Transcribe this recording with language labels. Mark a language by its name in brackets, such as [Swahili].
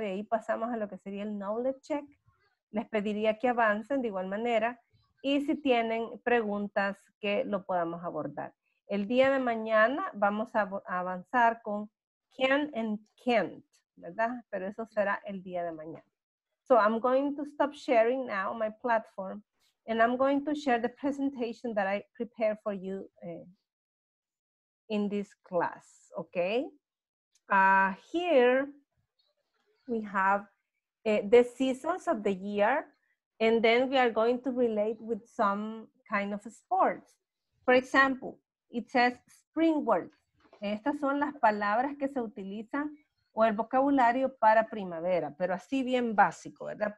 [Spanish] De ahí pasamos a lo que sería el [English] knowledge check. [Spanish] Les pediría que avancen de igual manera. Y si tienen preguntas, que lo podamos abordar. El día de mañana vamos a avanzar con [English] Q, can and can't, [Spanish] ¿verdad? Pero eso será el día de mañana. [English] So I'm going to stop sharing now my platform, and I'm going to share the presentation that I prepared for you in this class, okay? Here we have the seasons of the year, and then we are going to relate with some kind of sports. For example, it says spring work. [Spanish] Estas son las palabras que se utilizan o el vocabulario para primavera, pero así bien básico, ¿verdad?